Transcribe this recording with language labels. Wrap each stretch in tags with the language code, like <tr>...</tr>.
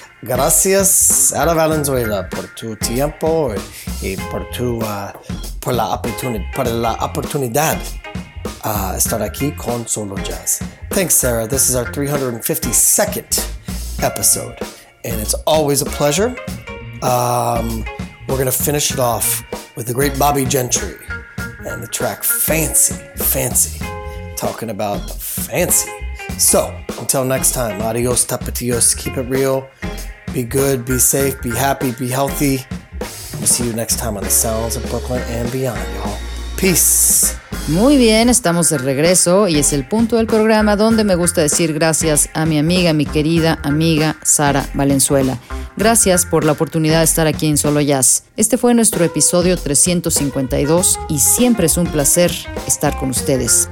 <es>Gracias, Sara Valenzuela, por tu tiempo y por tu, por la oportunidad. Estar aquí con Solo Jazz.</es> <en>Thanks, Sarah. This is our 352nd episode, and it's always a pleasure. We're going to finish it off with the great Bobbie Gentry and the track Fancy, Fancy, talking about fancy. So, until next time, adios, tapatios, keep it real. Be good, be safe, be happy, be healthy. We'll see you next time on The Sounds of Brooklyn and Beyond, y'all. Peace.</en> <es>Muy bien, estamos de regreso y es el punto del programa donde me gusta decir gracias a mi amiga, mi querida amiga Sara Valenzuela. Gracias por la oportunidad de estar aquí en Solo Jazz. Este fue nuestro episodio 352 y siempre es un placer estar con ustedes.</es>